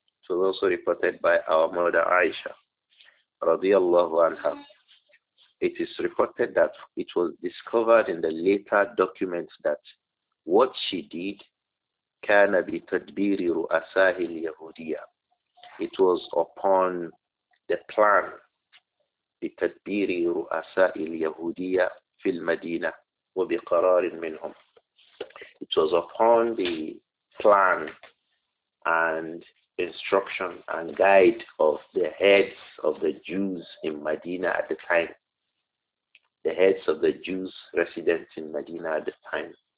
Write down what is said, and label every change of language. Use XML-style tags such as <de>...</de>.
<en>It was also reported by our mother Aisha radiallahu anha. It is reported that it was discovered in the later documents that what she did,</en> <ar>كَانَ بِتَدْبِيرِ رُؤَسَاهِ الْيَهُودِيَةِ.</ar> <en>It was upon the plan,</en> <ar>بِتَدْبِيرِ رُؤَسَاهِ الْيَهُودِيَةِ فِي الْمَدِينَةِ وَبِقَرَارٍ مِّنْهُمْ.</ar> <en>It was upon the plan and instruction and guide of the heads of the Jews in Medina at the time. The heads of the Jews resident in Medina at the time.</en>